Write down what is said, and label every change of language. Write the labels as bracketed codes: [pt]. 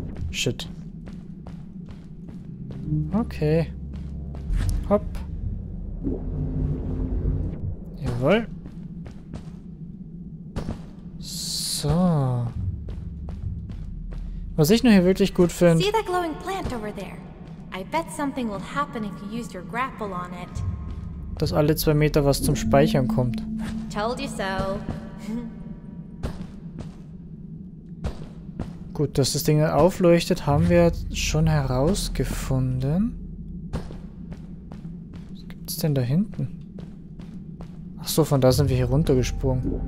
[en] Shit. [de] Okay. Hopp. Jawohl. So. Was ich nur hier wirklich gut finde. [en] See that glowing plant over there? I bet something will happen if you use your grapple on it. [de] Dass alle 2 Meter was zum Speichern kommt. [en] Told you so. [de] Gut, dass das Ding aufleuchtet, haben wir schon herausgefunden. Was gibt's denn da hinten? Ach so, von da sind wir hier runtergesprungen.